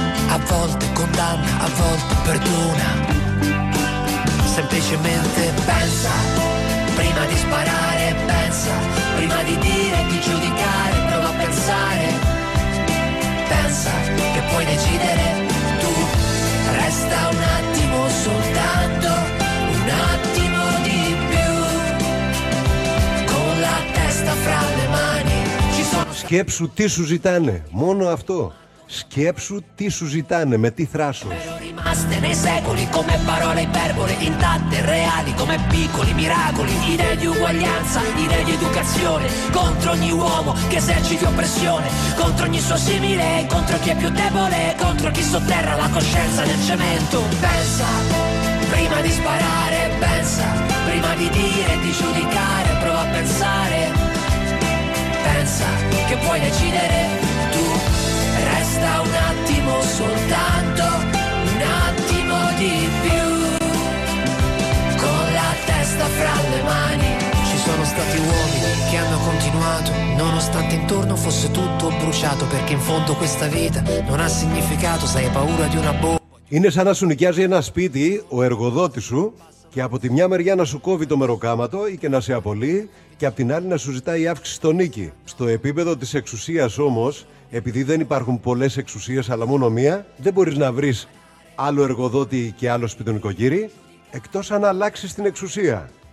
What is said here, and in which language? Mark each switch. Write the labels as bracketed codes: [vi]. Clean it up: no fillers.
[it] A volte condanna, a volte perdona. Semplicemente pensa, prima di sparare, pensa, prima di dire, di giudicare, prova a pensare. Pensa che puoi decidere tu. Resta un attimo soltanto, un attimo di più. Con la testa fra le mani. [el] Σκέψου τι σου ζητάνε, μόνο αυτό. Σκέψου τι σου ζητάνε, με τι θράσος. Είμαστε [it] nei secoli come parole iperbole, intatte reali come piccoli miracoli. Idee di uguaglianza, idee di educazione, contro ogni uomo che eserciti oppressione, contro ogni suo simile, contro chi è più debole, contro chi sotterra la coscienza nel cemento. Pensa prima di sparare, pensa prima di dire, di giudicare, prova a pensare. Pensa che puoi decidere tu. Resta un attimo soltanto, un attimo di più. Con la testa fra le mani. Ci sono stati uomini che hanno continuato, nonostante intorno fosse tutto bruciato, perché in fondo questa vita non ha significato, se hai paura di una bomba. [el] Είναι σαν να σου νοικιάζει ένα σπίτι ο εργοδότης σου και από τη μια μεριά να σου κόβει το μεροκάματο ή και να σε απολύει και από την άλλη να σου ζητάει αύξηση στο νίκη. Στο επίπεδο της εξουσίας όμως, επειδή δεν υπάρχουν πολλές εξουσίες αλλά μόνο μία, δεν μπορείς να βρεις άλλο εργοδότη και άλλο σπιτονοικοκύρη, εκτός αν αλλάξεις την εξουσία.